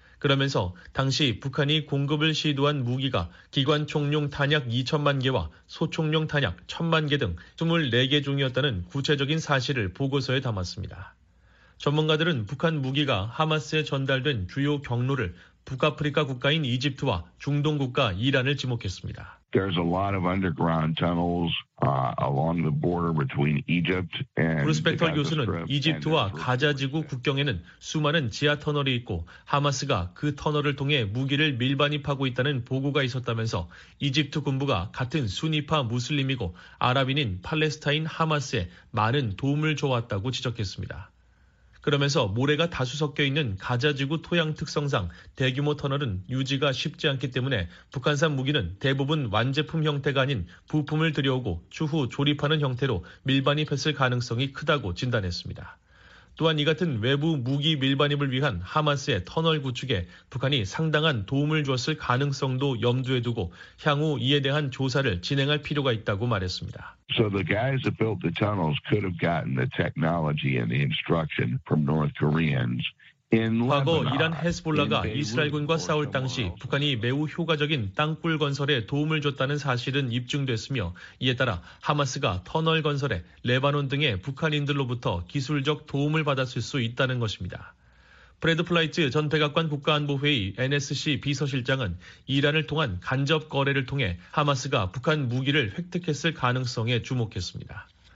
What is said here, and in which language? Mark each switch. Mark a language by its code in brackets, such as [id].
[ko] 그러면서 당시 북한이 공급을 시도한 무기가 기관총용 탄약 2천만 개와 소총용 탄약 1천만 개 등 24개 종이었다는 구체적인 사실을 보고서에 담았습니다. 전문가들은 북한 무기가 하마스에 전달된 주요 경로를 북아프리카 국가인 이집트와 중동 국가 이란을 지목했습니다. [en] There's a lot of underground tunnels along the border between Egypt and [ko] 브루스펙터 교수는 이집트와 가자 지구 국경에는 수많은 지하 터널이 있고 하마스가 그 터널을 통해 무기를 밀반입하고 있다는 보고가 있었다면서 이집트 군부가 같은 순위파 무슬림이고 아랍인인 팔레스타인 하마스에 많은 도움을 줘왔다고 지적했습니다. 그러면서 모래가 다수 섞여 있는 가자지구 토양 특성상 대규모 터널은 유지가 쉽지 않기 때문에 북한산 무기는 대부분 완제품 형태가 아닌 부품을 들여오고 추후 조립하는 형태로 밀반입했을 가능성이 크다고 진단했습니다. 또한 이 같은 외부 무기 밀반입을 위한 하마스의 터널 구축에 북한이 상당한 도움을 주었을 가능성도 염두에 두고 향후 이에 대한 조사를 진행할 필요가 있다고 말했습니다. [en] So the guys that built the tunnels could have gotten the technology and the instruction from North Koreans. [ko] 과거 이란 헤스볼라가 이스라엘군과 싸울 당시 북한이 매우 효과적인 땅굴 건설에 도움을 줬다는 사실은 입증됐으며 이에 따라 하마스가 터널 건설에 레바논 등의 북한인들로부터 기술적 도움을 받았을 수 있다는 것입니다. 프레드 플라이츠 전 백악관 국가안보회의 NSC 비서실장은 이란을 통한 간접 거래를 통해 하마스가 북한 무기를 획득했을 가능성에 주목했습니다.